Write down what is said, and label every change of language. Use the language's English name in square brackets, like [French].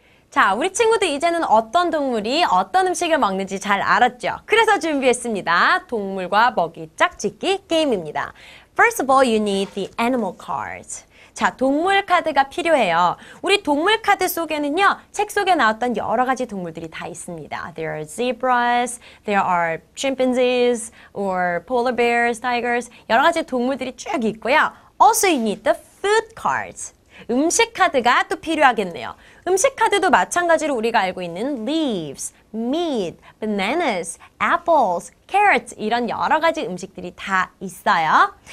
[Korean] 자, 우리 친구들 이제는 어떤 동물이 어떤 음식을 먹는지 잘 알았죠? 그래서 준비했습니다. 동물과 먹이 짝짓기 게임입니다. [English] First of all, you need the animal cards. [Korean] 자, 동물 카드가 필요해요. 우리 동물 카드 속에는요, 책 속에 나왔던 여러 가지 동물들이 다 있습니다. [English] There are zebras, there are chimpanzees, or polar bears, tigers. [Korean] 여러 가지 동물들이 쭉 있고요. [English] Also, you need the food cards. [Korean] 음식 카드가 또 필요하겠네요. 음식 카드도 마찬가지로 우리가 알고 있는 [English] leaves, meat, bananas, apples, carrots [Korean] 이런 여러 가지 음식들이 다 있어요.